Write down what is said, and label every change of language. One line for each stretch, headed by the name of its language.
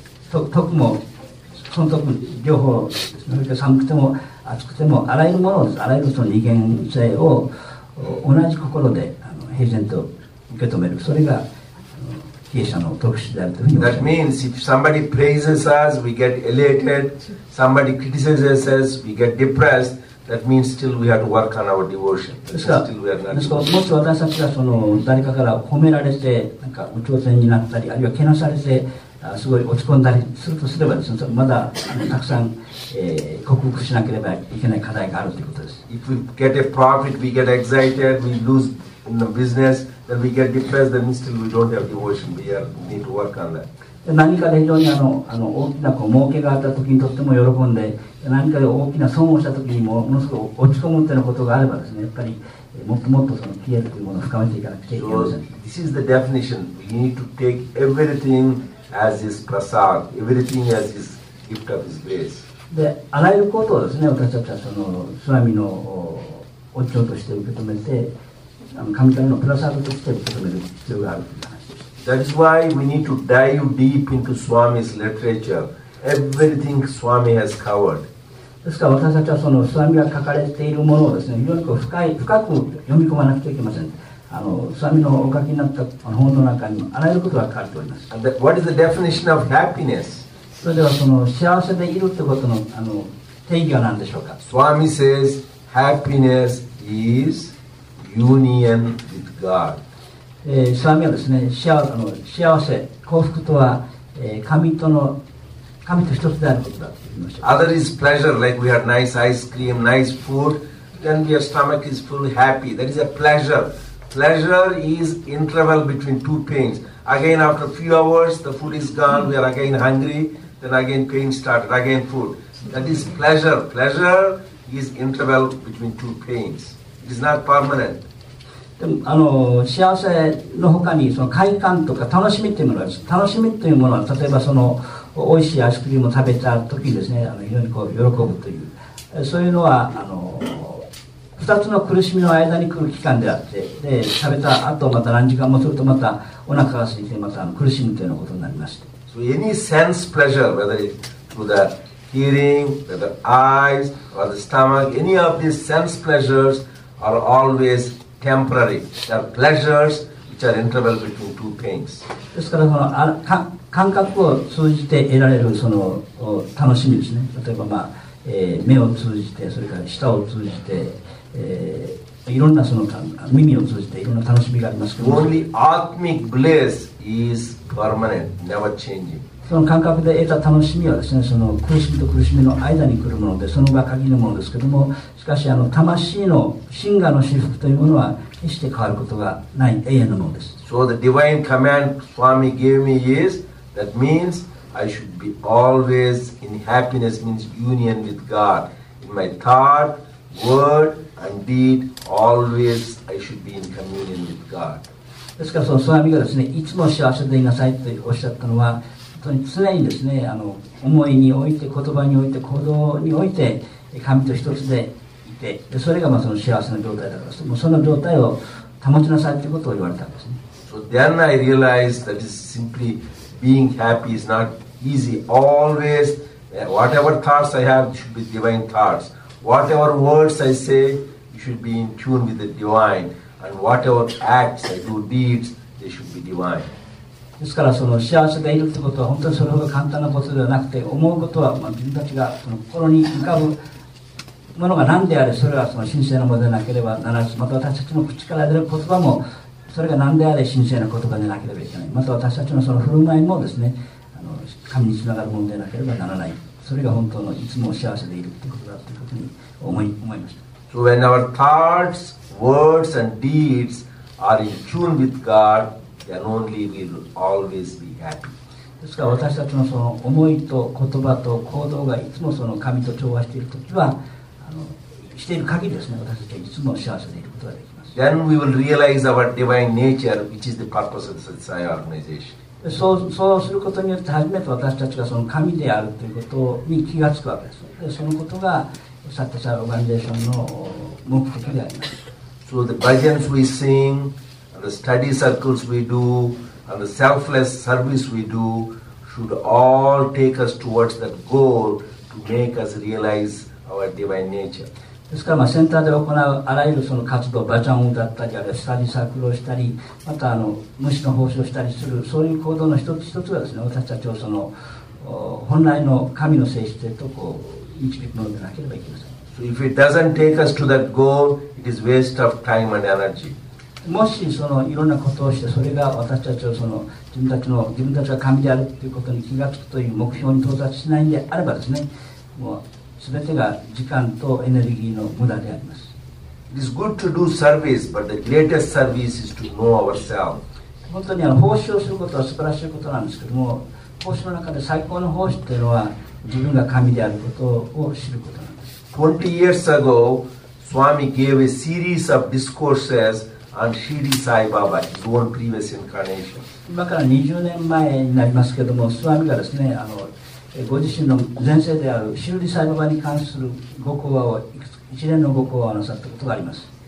Japanese: 徳も損得両方それから寒くても暑くてもあらゆるものあらゆるその二元性を同じ心で平然と受け止めるそれが帰依者の特質であるというふうに思います。
English: That means if somebody praises us, we get elated. Somebody criticizes us, we get depressed. That means still we have to work on our devotion.
Japanese: ですから、もし私たちがその誰かから褒められて、なんか有頂天になったり、あるいはけなされて、すごい落ち込んだりするとすればですね、まだたくさん、克服しなければいけない課題があるということです。
English: If we get a profit, we get excited, we lose in the business, then we get depressed, then still we don't have devotion. We need to work on that.
Japanese: 何かで非常に大きなこう儲けがあったときにとっても喜んで、何かで大きな損をしたときにも、ものすごく落ち込むというようなことがあればですね、やっぱりもっともっとその消えるというものを深めていかなくちゃいけません。
English: So, this is the definition. We need to take everything as his prasad, everything as his gift of his grace.
Japanese: で、あらゆることをですね、私たちはその、スワミのお嬢として受け止めて、神様のプラサードとして受け止める必要がある。
English: That's why we need to dive deep into Swami's literature. Everything Swami has covered.
Japanese: ですから私たちはそのスワミが書かれているものをですね、非常に深く読み込まなくてはいけません。スワミのお書きになった本の中にもあらゆることが書かれております。
English: And what is the definition of happiness?
Japanese: それではその幸せでいるということの定義は何でしょうか。
English: Swami says, happiness is union with God.
Japanese: スワミはですね、幸せ、幸福とは、神と一つであることだと言いました。
English: Other is pleasure, like we have nice ice cream, nice food, then your stomach is fully happy. That is a pleasure. Pleasure is interval between two pains. Again, after a few hours, the food is gone, we are again hungry, then again pain started, again food. That is pleasure. Pleasure is interval between two pains. It is not permanent.
Japanese: でもあの幸せの他にその快感とか楽しみというものがあります。楽しみというものは例えばその美味しいアイスクリームを食べた時にですね、あの非常にこう喜ぶという、そういうのはあの2つの苦しみの間に来る期間であって、で食べた後また何時間もするとまたお腹が空いてまたあの苦しむというようなことになりまして。
English: So any sense pleasure, whether through the hearing, whether eyes or the stomach, any of these sense pleasures are always temporary. They are pleasures which are interval between two pains.
Japanese: ですからその感覚を通じて得られるその楽しみですね。例えばまあ、目を通じてそれから舌を通じて。いろんなその耳を通じていろんな楽しみがありますけど、
English: Only atmic bliss is permanent, never changing.
Japanese: その感覚で得た楽しみはですね、その苦しみと苦しみの間に来るもので、その場限りのものですけども、しかしあの魂の真我の至福というものは決して変わることがない永遠のものです。
English: So the divine command Swami gave me is that means I should be always in happiness, means union with God in my thought, word. Indeed, always I should be in communion with God.
Japanese: ですからそのスワミがですね、いつも幸せでいなさいとおっしゃったのは、常にですね、あの思いにおいて、言葉において、行動において、神と一つでいて、でそれがまあその幸せの状態だから、もうその状態を保ちなさいということを言われたんですね。
English: So then I realized that is simply being happy is not easy. Always, whatever thoughts I have should be divine thoughts. Whatever words I say, you should be in tune with the divine. And whatever acts I do, deeds, they should be divine.
Japanese: ですからその幸せでいるということは本当にそれほど簡単なことではなくて、思うことはまあ自分たちがその心に浮かぶものが何であれ、それはその神聖なものでなければならず、また私たちの口から出る言葉も、それが何であれ神聖な言葉でなければいけない。また私たちのその振る舞いもですね、あの神につながるものでなければならない。それが本当のいつも幸せでいるということだということに思いました。
English: So when our thoughts, words and deeds are in tune with God, then only we will always be happy.
Japanese: ですから私たちのその思いと言葉と行動がいつもその神と調和しているときは、あのしている限りですね、私たちはいつも幸せでいることができます。
English: Then we will realize our divine nature, which is the purpose of the Sai organization.
Japanese: そうすることによって初めて私たちがその神であるということに気がつくわけです。でそのことがサッタサイオーガニゼーションの目的であります。
English: So the bhajans we sing, the study circles we do, and the selfless service we do should all take us towards that goal to make us realize our divine nature.
Japanese: ですからまあセンターで行うあらゆるその活動、バジャンを歌ったり、あるいはスタディサークルをしたり、またあの虫の奉仕をしたりする、そういう行動の一つ一つがですね、私たちをその本来の神の性質へとこう導くものでなければいけません。
English: So if it doesn't take us to that goal, it is waste of time and energy.
Japanese: もしそのいろんなことをして、それが私たちをその自分たちが神であるということに気がつくという目標に到達しないんであればですね、もう全てが時間とエネルギーの無駄であります。
English: It is good to do service, but the greatest service is to know ourselves.
Japanese: 本当にあの奉仕をすることは素晴らしいことなんですけども、奉仕の中で最高の奉仕というのは自分が神であることを知ることなんです。
English: 20 years ago, Swami gave a series of discourses on Shirdi Sai Baba, his own previous incarnation.
Japanese: 今から20年前になりますけども、スワミがですね、あのご自身の前世であるシルディサイババに関するご講話を一連のご講話をなさったことがあります。